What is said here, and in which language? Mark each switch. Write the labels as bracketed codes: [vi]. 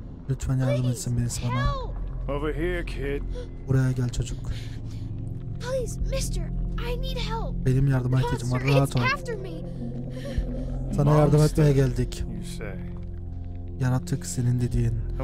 [tr] Lütfen yardım etsin birisi bana. [en] Over here, kid. [tr] Buraya gel çocuk. [en] Please, mister, I need help. [tr] Benim yardıma ihtiyacım var. Rahat ol. Sana yardım etmeye geldik. Yaratık senin dediğin.